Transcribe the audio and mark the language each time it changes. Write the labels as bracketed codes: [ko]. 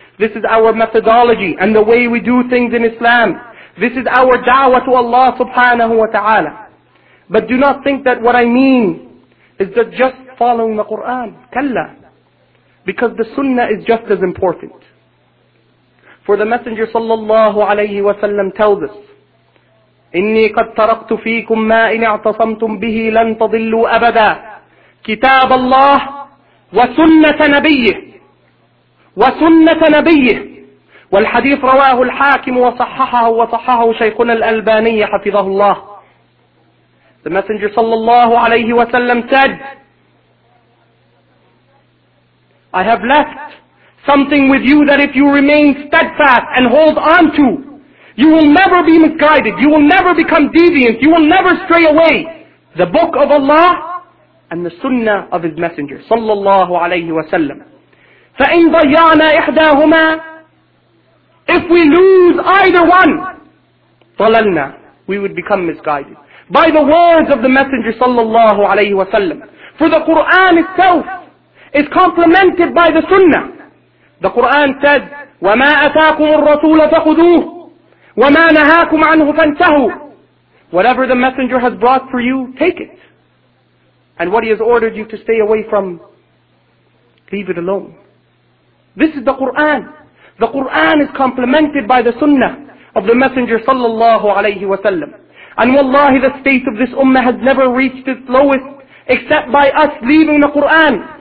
[en] This is our methodology and the way we do things in Islam. This is our da'wah to Allah subhanahu wa ta'ala. But do not think that what I mean is that just following the Qur'an. [ar] كَلَّا [en] Because the sunnah is just as important. For the Messenger sallallahu alayhi wa sallam tells us, [ar] إِنِّي قَدْ تَرَقْتُ فِيكُمْ مَا إِنْ اَعْتَصَمْتُمْ بِهِ لَنْ تَضِلُّوا أَبَدًا كِتَابَ اللَّهِ وَسُنَّةَ نَبِيِّهِ وَسُنَّةَ نَبِيِّهِ والحديث رواه الحاكم وصححه شيخنا الألباني حفظه الله. [en] The Messenger [ar] صلى الله عليه وسلم [en] said, I have left something with you that if you remain steadfast and hold on to, you will never be misguided, you will never become deviant, you will never stray away. The Book of Allah and the Sunnah of His Messenger [ar] صلى الله عليه وسلم. فَإِنْ ضَيَّعْنَا إِحْدَاهُمَا, [en] if we lose either one, [ar] ضَلَلْنَا, [en] we would become misguided. By the words of the Messenger sallallahu alayhi wa sallam. For the Qur'an itself is complemented by the Sunnah. The Qur'an says, [ar] وَمَا أَتَاكُمُ الرَّسُولَ فَخُذُوهُ وَمَا نَهَاكُمْ عَنْهُ فَانْتَهُوا. [en] Whatever the Messenger has brought for you, take it. And what he has ordered you to stay away from, leave it alone. This is the Qur'an. The Qur'an is complemented by the Sunnah of the Messenger sallallahu alayhi wa sallam. And wallahi, the state of this ummah has never reached its lowest except by us leaving the Qur'an.